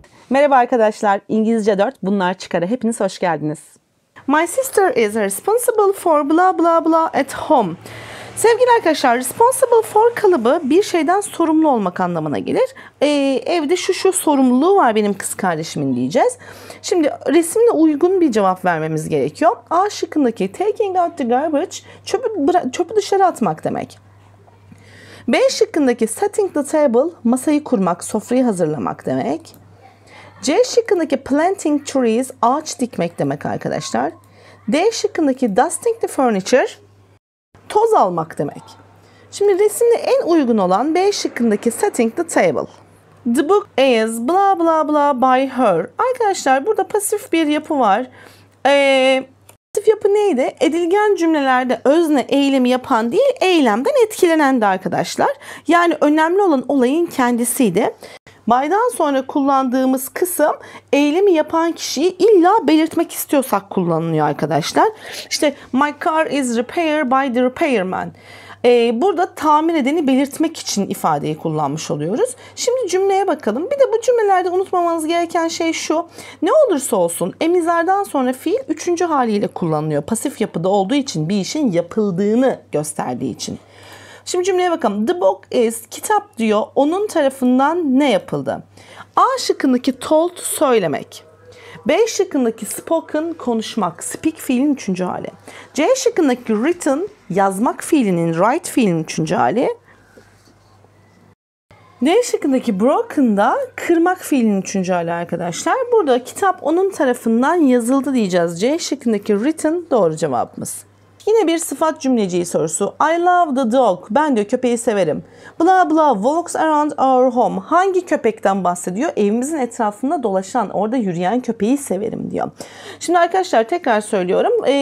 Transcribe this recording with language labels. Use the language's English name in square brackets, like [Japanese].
[Turkish] Merhaba arkadaşlar, İngilizce 4 bunlar çıkara hepiniz hoş geldiniz. [English] My sister is responsible for blah blah blah at home. [Turkish] Sevgili arkadaşlar, [English] responsible for [Turkish] kalıbı bir şeyden sorumlu olmak anlamına gelir. Evde şu şu sorumluluğu var benim kız kardeşimin diyeceğiz. Şimdi resimle uygun bir cevap vermemiz gerekiyor. A şıkkındaki [English] taking out the garbage [Turkish] çöpü dışarı atmak demek. B şıkkındaki [English] setting the table [Turkish] masayı kurmak, sofrayı hazırlamak demek. C şıkkındaki [English] planting trees [Turkish] ağaç dikmek demek arkadaşlar. D şıkkındaki [English] dusting the furniture [Turkish] toz almak demek. Şimdi resimde en uygun olan B şıkkındaki [English] setting the table. The book is blah blah blah by her. [Turkish] Arkadaşlar burada pasif bir yapı var. Pasif yapı neydi? Edilgen cümlelerde özne eylemi yapan değil, eylemden etkilenendi arkadaşlar. Yani önemli olan olayın kendisiydi. By'dan sonra kullandığımız kısım eylemi yapan kişiyi illa belirtmek istiyorsak kullanılıyor arkadaşlar. [English] İşte my car is repaired by the repairman. [Turkish] Burada tamir edeni belirtmek için ifadeyi kullanmış oluyoruz. Şimdi cümleye bakalım. Bir de bu cümlelerde unutmamanız gereken şey şu. Ne olursa olsun emizlerden sonra fiil üçüncü haliyle kullanılıyor. Pasif yapıda olduğu için, bir işin yapıldığını gösterdiği için. Şimdi cümleye bakalım. [English] The book is, [Turkish] kitap diyor, onun tarafından ne yapıldı? A şıkkındaki told, söylemek. B şıkkındaki spoken, konuşmak. Speak fiilin üçüncü hali. C şıkkındaki written, yazmak fiilinin, write fiilin üçüncü hali. D şıkkındaki broken da kırmak fiilinin üçüncü hali arkadaşlar. Burada kitap onun tarafından yazıldı diyeceğiz. C şıkkındaki written doğru cevabımız. Yine bir sıfat cümleciği sorusu. [English] I love the dog. [Turkish] Ben diyor köpeği severim. [English] Blah blah walks around our home. [Turkish] Hangi köpekten bahsediyor? Evimizin etrafında dolaşan, orada yürüyen köpeği severim diyor. Şimdi arkadaşlar tekrar söylüyorum.